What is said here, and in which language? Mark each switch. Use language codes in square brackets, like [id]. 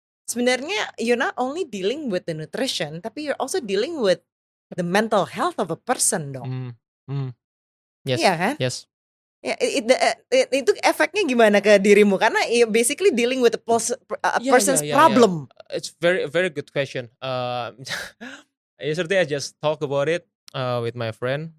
[en] Sebenarnya you're not only dealing with the nutrition, tapi you're also dealing with the mental health of a person dong. Yes, [id] iya kan? [en] Yes. [id] Ya, itu efeknya gimana ke dirimu? [en] Karena basically dealing with a person's problem. Yeah. It's very very good question. yesterday I just talk about it with my friend.